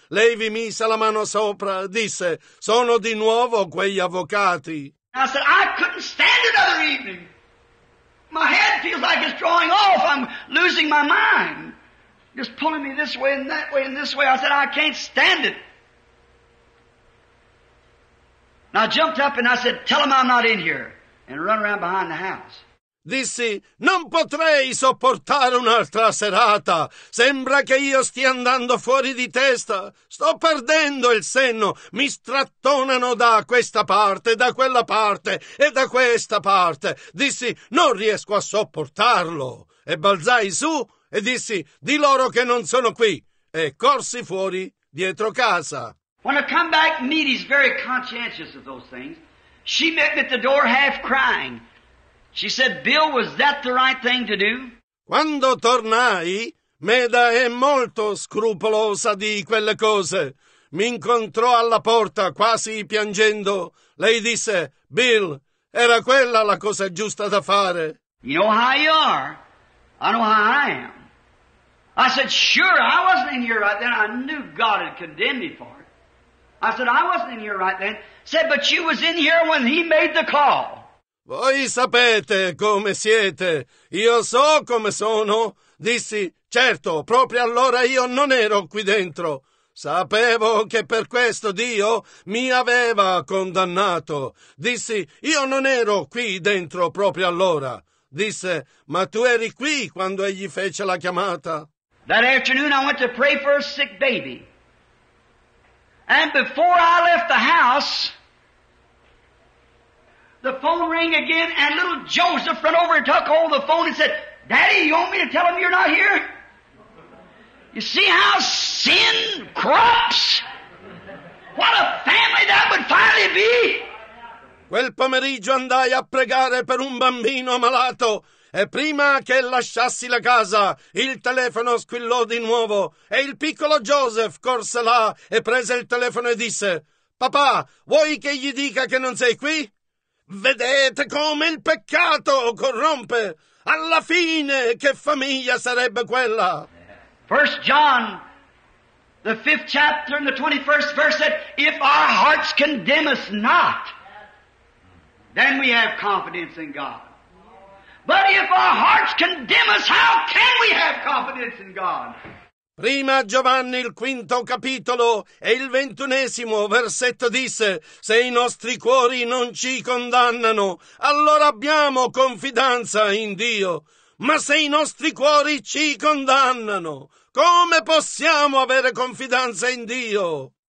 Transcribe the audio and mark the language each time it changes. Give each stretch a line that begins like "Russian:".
Italian: Lei vi mise la mano sopra e disse, sono di nuovo quegli avvocati.
English: I said, I couldn't stand another evening. My head feels like it's drawing off. I'm losing my mind. Just pulling me this way and that way and this way. I said, I can't stand it. And I jumped up and I said, tell them I'm not in here. And run around behind the house.
Italian: Dissi, non potrei sopportare un'altra serata. Sembra che io stia andando fuori di testa. Sto perdendo il senno. Mi strattonano da questa parte, da quella parte e da questa parte. Dissi, non riesco a sopportarlo. E balzai su e dissi, di loro che non sono qui. E corsi fuori, dietro casa.
English: When I come back, Meade's very conscientious of those things. She met me at the door half crying. She said, Bill, was that the right thing to do?
Italian: Quando tornai, Meda è molto scrupolosa di quelle cose. Mi incontrò alla porta, quasi piangendo. Lei disse, Bill, era quella la cosa giusta da fare.
English: You know how you are. I know how I am. I said, sure, I wasn't in here right then. I knew God had condemned me for it. I said, I wasn't in here right then. Said, but you was in here when he made the call.
Italian: Voi sapete come siete. Io so come sono. Dissi, certo, proprio allora io non ero qui dentro. Sapevo che per questo Dio mi aveva condannato. Dissi, io non ero qui dentro proprio allora. Disse, ma tu eri qui quando egli fece la chiamata.
English: That afternoon I went to pray for a sick baby. And before I left the house, the phone rang again and little Joseph ran over and took hold of the phone and said, Daddy, you want me to tell him you're not here? You see how sin corrupts? What a family that would finally be!
Italian: Quel pomeriggio andai a pregare per un bambino malato e prima che lasciassi la casa il telefono squillò di nuovo e il piccolo Joseph corse là e prese il telefono e disse «Papà, vuoi che gli dica che non sei qui? Vedete come il peccato corrompe! Alla fine che famiglia sarebbe quella?»
English: 1 John, the 5th chapter and the 21st verse said, If our hearts condemn us not, then we have confidence in God. But if our hearts condemn us, how can we have confidence in God?
Italian: Prima Giovanni, il 5 capitolo e il 21 versetto disse, Se i nostri cuori non ci condannano, allora abbiamo confidenza in Dio. Ma se i nostri cuori ci condannano, come possiamo avere confidenza in Dio?